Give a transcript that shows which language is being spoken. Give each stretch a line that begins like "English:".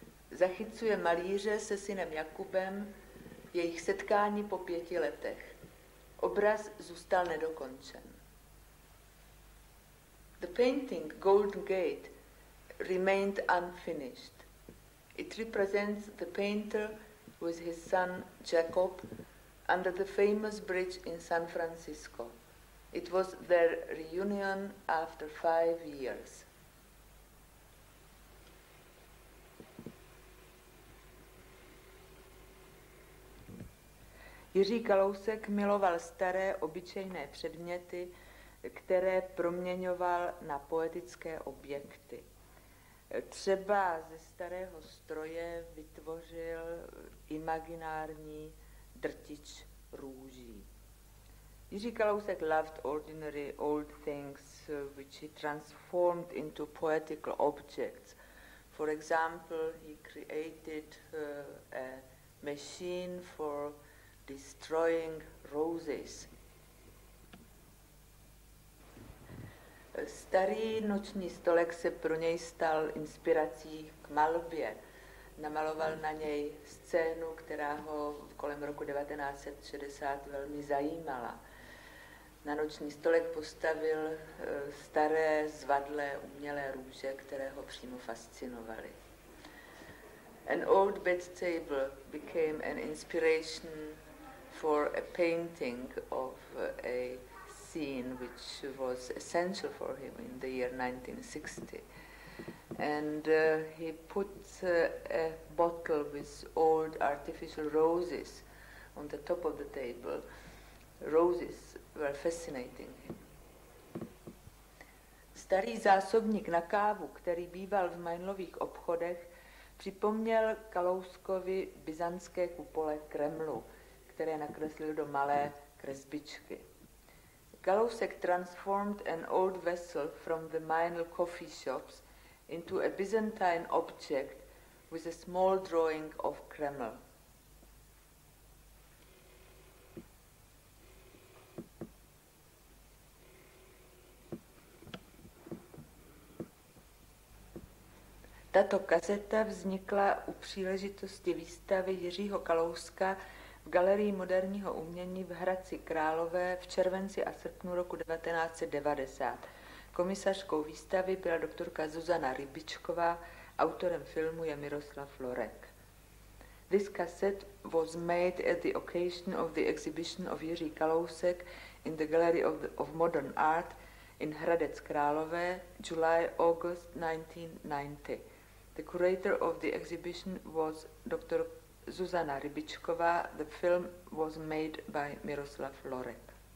Czech: Zachycuje malíře se synem Jakubem, jejich setkání po 5 letech. Obraz zůstal nedokončen.
English: The painting Golden Gate remained unfinished. It represents the painter with his son Jacob under the famous bridge in San Francisco. It was their reunion after 5 years.
Czech: Jiří Kalousek miloval staré, obyčejné předměty, které proměňoval na poetické objekty. Třeba ze starého stroje vytvořil imaginární drtič růží.
English: Jiří Kalousek loved ordinary old things, which he transformed into poetical objects. For example, he created a machine for destroying roses.
Czech: Starý noční stolek se pro něj stal inspirací k malbě. Namaloval na něj scénu, která ho kolem roku 1960 velmi zajímala. Na noční stolek postavil staré, zvadlé, umělé růže, které ho přímo fascinovaly.
English: An old bed table became an inspiration for a painting of a scene which was essential for him in the year 1960. And he put a bottle with old artificial roses on the top of the table. Roses were fascinating him.
Czech: Starý zásobník na kávu, který býval v Mainlových obchodech, připomněl Kalouskovi byzantské kupole Kremlu, které nakreslil do malé kresbičky.
English: Kalousek transformed an old vessel from the minor coffee shops into a Byzantine object with a small drawing of Kreml.
Czech: Tato kazeta vznikla u příležitosti výstavy Jiřího Kalouska v Galerii moderního umění v Hradci Králové v červenci a srpnu roku 1990. Komisařkou výstavy byla doktorka Zuzana Rybičková, autorem filmu je Miroslav Lorek.
English: This cassette was made at the occasion of the exhibition of Jiří Kalousek in the Gallery of Modern Art in Hradec Králové, July-August 1990. The curator of the exhibition was Dr. Zuzana Rybičková. The film was made by Miroslav Lorek.